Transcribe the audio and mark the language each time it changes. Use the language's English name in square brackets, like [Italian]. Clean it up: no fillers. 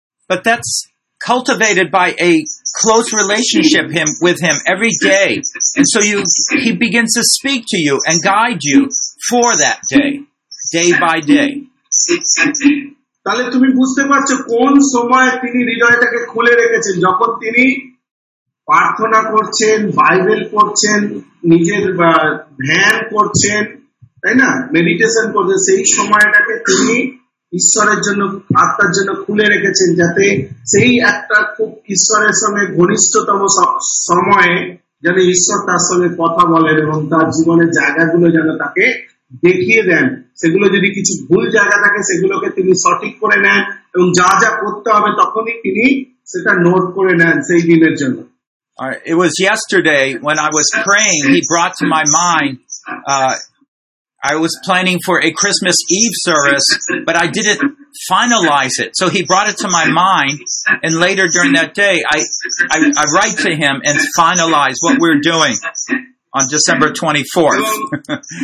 [English] But that's cultivated by a close relationship with him every day, and so he begins to speak to you and guide you for that day by day. [Bangla] তাহলে তুমি বুঝতে পারছো কোন সময় তিনি হৃদয়টাকে খুলে রেখেছেন, যখন তিনি প্রার্থনা করছেন, বাইবেল পড়ছেন, নিজের ধ্যান করছেন, তাই না, মেডিটেশন করছেন, সেই সময়টাকে তিনি ঈশ্বরের জন্য আত্মার জন্য খুলে রেখেছেন যাতে সেই একটা খুব ঈশ্বরের সঙ্গে ঘনিষ্ঠতম সময়ে যেন ঈশ্বর তার সঙ্গে কথা বলেন এবং তার জীবনের জায়গাগুলো যেন তাকে দেখিয়ে দেন, সেগুলো যদি কিছু ভুল জায়গা থাকে সেগুলোকে তিনি সঠিক করে নেন এবং যা যা করতে হবে তখনই তিনি সেটা নোট করে নেন সেই দিনের জন্য। [English] It was yesterday when I was praying, he brought to my mind, I was planning for a Christmas Eve service, but I didn't finalize it. So he brought it to my mind, and later during that day, I write to him and finalize what we're doing on December 24th.